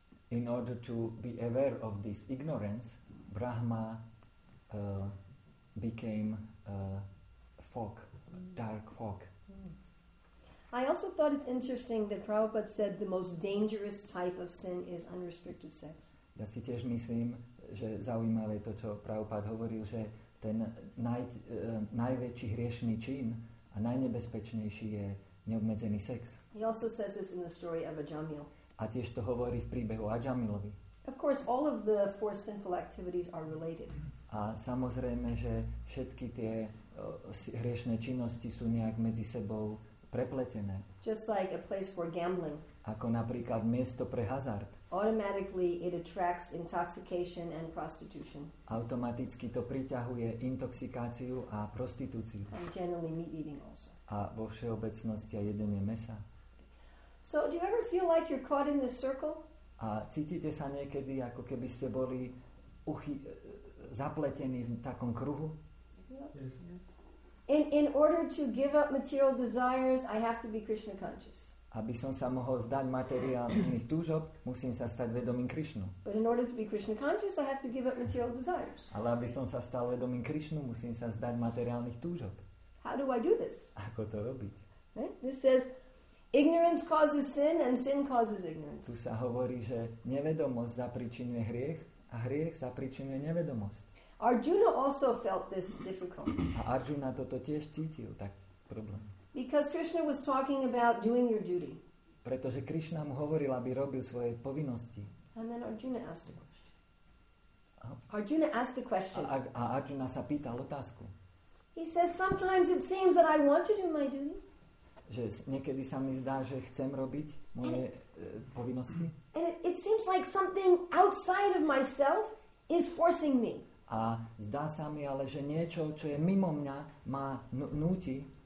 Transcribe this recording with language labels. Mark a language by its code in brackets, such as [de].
[en] In order to be aware of this ignorance, Brahma became a fog, dark fog. I also thought it's interesting that Prabhupada said the most dangerous type of sin is unrestricted sex. [sk] Ja si tiež myslím, že zaujímavé to, čo Prabhupada hovoril, že ten najväčší hriešný čin a najnebezpečnejší je neobmedzený sex. [en] He also says this in the story of Ajamil. [sk] A tiež to hovorí v príbehu Ajamilovi. [en] Of course, all of the four sinful activities are related. [sk] A samozrejme, že všetky tie hriešné činnosti sú nejak medzi sebou prepletené. [en] Just like a place for gambling. [sk] Ako napríklad miesto pre hazard. [en] Automatically it attracts intoxication and prostitution. [sk] Automaticky to priťahuje intoxikáciu a prostitúciu. [en] And generally meat eating also. [sk] A vo všeobecnosti aj jedenie mesa. [en] So do you ever feel like you're caught in this circle? [sk] A cítite sa niekedy, ako keby ste boli zapletení v takom kruhu? [en] Yes. In order to give up material desires, I have to be Krishna conscious. [sk] Aby som sa mohol zdať materiálnych túžob, musím sa stať vedomým Krishnu. [en] But in order to be Krishna conscious, I have to give up material desires. [sk] Ale aby som sa stal vedomým Krishnu, musím sa zdať materiálnych túžob. [en] How do I do this? [sk] Ako to robiť? [en] Right? This says, ignorance causes sin and sin causes ignorance. [sk] Tu sa hovorí, že nevedomosť zapríčinuje hriech a hriech zapríčinuje nevedomosť. [en] Arjuna also felt this difficulty. [sk] A Arjuna toto tiež cítil, tak problém. [en] Because Krishna was talking about doing your duty. [sk] Pretože Krishna mu hovoril, aby robil svoje povinnosti. [en] And then Arjuna asked a question. Arjuna asked a question. [sk] A Arjuna sa pýtal otázku. [en] He says, sometimes it seems that I want to do my duty. [sk] Že niekedy sa mi zdá, že chcem robiť moje povinnosti. [en] And it seems like something outside of myself is forcing me. [sk] A zdá sa mi ale, že niečo, čo je mimo mňa, ma núti